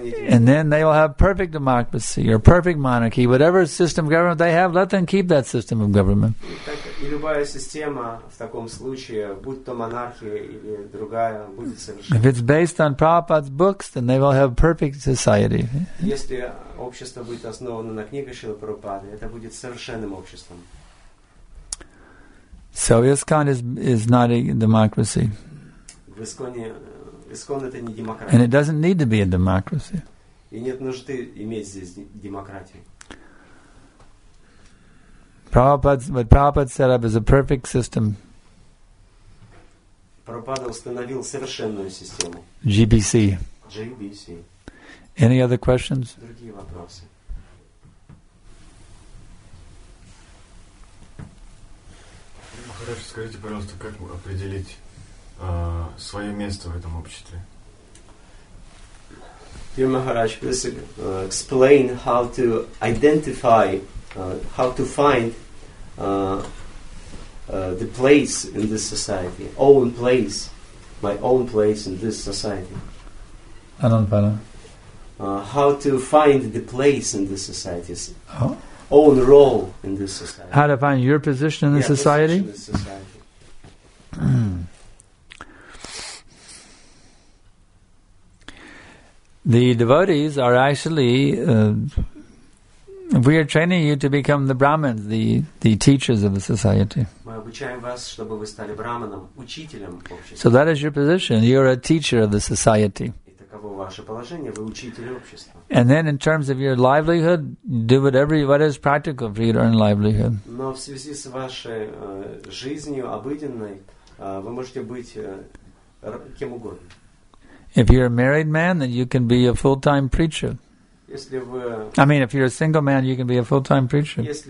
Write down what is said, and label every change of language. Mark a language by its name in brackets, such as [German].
[English] And then they will have perfect democracy or perfect monarchy. Whatever system of government they have, let them keep that system of government. [Russian] И любая система в таком случае, будь то монархия или другая, будет совершенно. [English] If it's based on Prabhupada's books, then they will have perfect society. [Russian] Если общество будет основано на книгах Шрилы Прабхупады, это будет совершенным обществом. [English] So ISKCON is not a democracy. [Russian] В ИСКОНе ИСКОН это не демократия. [English] And it doesn't need to be a democracy. [Russian] И нет нужды иметь здесь демократию. [English] What Prabhupada set up is a perfect system. [Russian] Prabhupada установил совершенную систему. [English] GBC. GBC. Any other questions? [Russian] Другие вопросы. Хорошо, скажите, пожалуйста, как определить свое место в этом обществе? [English] Dear Maharaj, please explain how to identify, how to find the place in this society, own place, my own place in this society. Ananpana. How to find the place in this society? Own role in this society. How to find your position in the society? The devotees are actually, we are training you to become the Brahmins, the teachers of the society. [Russian] Мы обучаем вас, чтобы вы стали браманом, учителем общества. [English] So that is your position. You are a teacher of the society. [Russian] И таково ваше положение. Вы учитель общества. [English] And then in terms of your livelihood, do whatever what is practical for you to earn livelihood. [Russian] Но в связи с вашей жизнью обыденной, вы можете быть кем угодно. [English] If you're a married man, then you can be a full-time preacher. If you're a single man, you can be a full-time preacher.